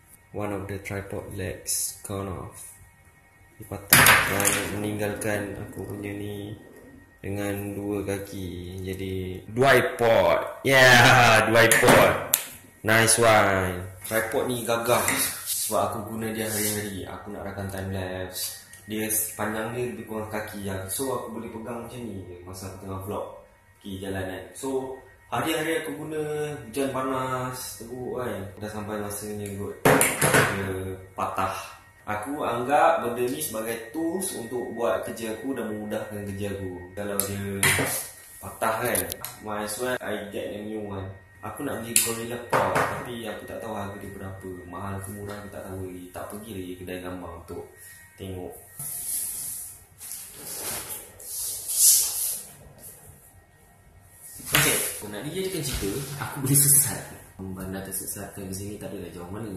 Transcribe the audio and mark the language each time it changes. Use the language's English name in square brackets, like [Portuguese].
[English] One of the tripod legs gone off. [Malay] Dia patah dan meninggalkan aku punya ni dengan dua kaki. Jadi tripod. Yeah, tripod. Nice one. Tripod ni gagah sebab aku guna dia hari-hari. Aku nak rakam time lapse. Dia panjang dia lebih kurang kaki je. So aku boleh pegang macam ni masa aku tengah vlog pergi jalanan. So hari-hari aku guna, hujan panas, teguk kan. Dah sampai masanya kot dia patah. Aku anggap benda ni sebagai tools untuk buat kerja aku dan memudahkan kerja aku. Kalau dia patah kan, [English] might as well I get a new one. [Malay] Aku nak pergi Gorilla Park tapi aku tak tahu harga dia berapa. Mahal ke murah aku tak tahu lagi. Tak pergi lagi kedai gambar untuk tengok. Nak dia jadikan cerita, aku boleh sesat. Bandar tersesat kan di sini tak adalah jauh mana.